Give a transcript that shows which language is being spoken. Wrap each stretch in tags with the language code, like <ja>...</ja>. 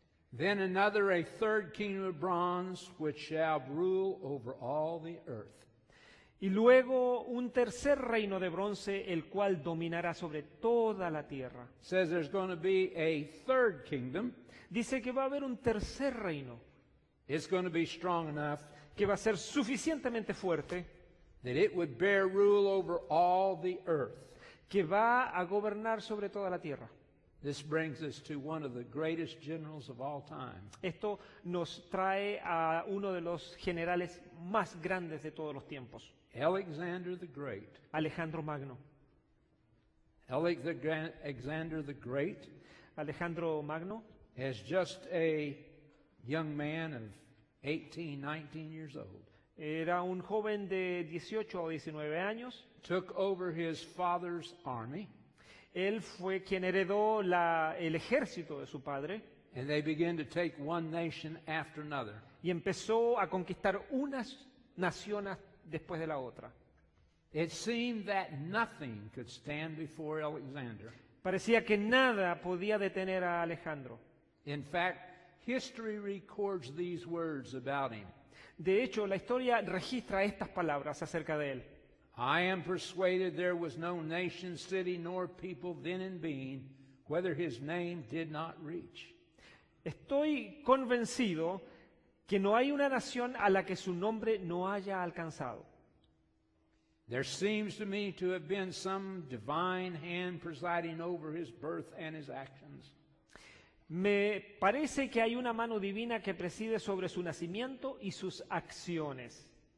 <en>Then another, a third kingdom of bronze, which shall rule over all the earth.</en> <es>Y luego un tercer reino de bronce, el cual dominará sobre toda la tierra.</es> <en>Says there's going to be a third kingdom.</en> <es>Dice que va a haber un tercer reino.</es> <en>It's going to be strong enough.</en> <es>Que va a ser suficientemente fuerte.</es> <en>That it would bear rule over all the earth.</en> <es>Que va a gobernar sobre toda la tierra.</es> <en>This brings us to one of the greatest generals of all time.</en> <es>Esto nos trae a uno de los generales más grandes de todos los tiempos.</es> <en>Alexander the Great.</en> <es>Alejandro Magno.</es> <en>Alexander the Great.</en> <es>Alejandro Magno.</es> <en>As just a young man of 18, 19 years old.</en> <es>Era un joven de 18 o 19 años.</es> <en>Took over his father's army.</en> <es>Él fue quien heredó el ejército de su padre.</es> <en>And they began to take one nation after another.</en> <es>Y empezó a conquistar unas naciones después de la otra.</es> <en>It seemed that nothing could stand before Alexander.</en> <es>Parecía que nada podía detener a Alejandro.</es> <en>In fact, history records these words about him.</en> <es>De hecho, la historia registra estas palabras acerca de él.</es> <en>I am persuaded there was no nation, city, nor people then and being, whether his name did not reach.</en> <es>Estoy convencido que no hay una nación a la que su nombre no haya alcanzado.</es> <en>There seems to me to have been some divine hand presiding over his birth and his actions.</en> <es>Me parece que hay una mano divina que preside sobre su nacimiento y sus acciones.</es>